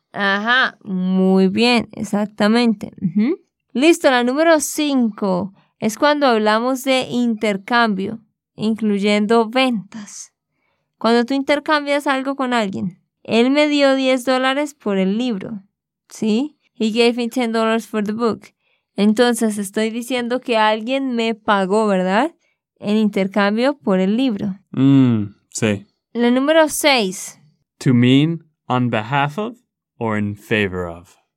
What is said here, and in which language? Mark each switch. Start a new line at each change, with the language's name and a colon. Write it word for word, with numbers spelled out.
Spanish: Ajá, muy bien, exactamente. Ujú. Listo, la número cinco es cuando hablamos de intercambio, incluyendo ventas. Cuando tú intercambias algo con alguien, él me dio diez dólares por el libro, ¿sí?
English: He gave me ten dollars for the book.
Spanish: Entonces estoy diciendo que alguien me pagó, ¿verdad? En intercambio por el libro. Mm, sí. La número seis.
English: To mean on behalf of or in favor of.